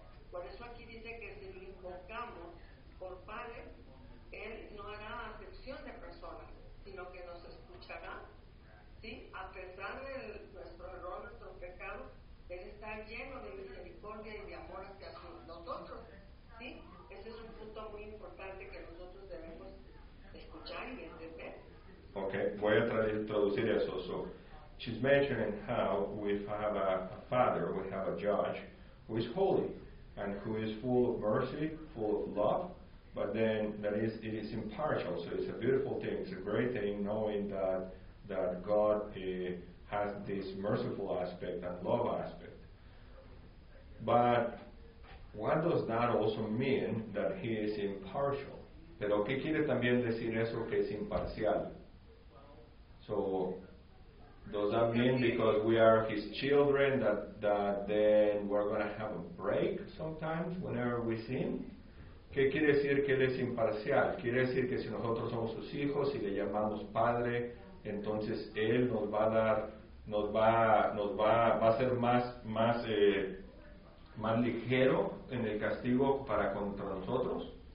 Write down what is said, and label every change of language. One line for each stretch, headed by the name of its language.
Spanish: Por eso aquí dice que si lo invocamos por padre, él no hará acepción de personas, sino que nos escuchará, ¿sí? A pesar de nuestro error, nuestro pecado, él está lleno de misericordia y de amor hacia nosotros, ¿sí? Ese es un punto muy importante que nosotros debemos escuchar y entender. Okay, voy a traducir eso.
English: So, she's mentioning how we have a father, we have a judge, who is holy and who is full of mercy, full of love, but then that is, it is impartial. So it's a beautiful thing, it's a great thing, knowing that God has this merciful aspect and love aspect. But what does that also mean, that he is impartial?
Spanish: Pero qué quiere también decir eso, que es imparcial?
English: So does that mean because we are his children that then we're going to have a break sometimes whenever we sin?
Spanish: ¿Qué quiere decir que él es imparcial? Quiere decir que si nosotros somos sus hijos y le llamamos padre, entonces él nos va a dar, va a ser más ligero en el castigo para contra nosotros.